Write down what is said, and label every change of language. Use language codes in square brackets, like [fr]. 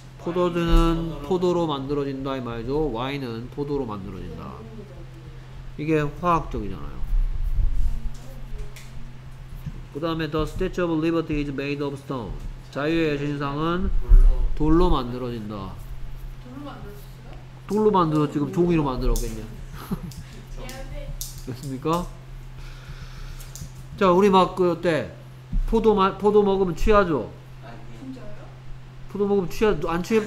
[ko] 포도주는 포도로 만들어진다 이 말이죠. 와인은 포도로 만들어진다. 이게 화학적이잖아요. 그 다음에 [en] The Statue of Liberty is made of stone. [ko] 자유의 신상은 돌로 만들어진다. 돌로 만들었지. 그럼 종이로 만들었겠냐. 됐습니까? 자, 우리 막 그 어때? 포도 먹으면 취하죠? 포도 먹으면 취해. 안 취해?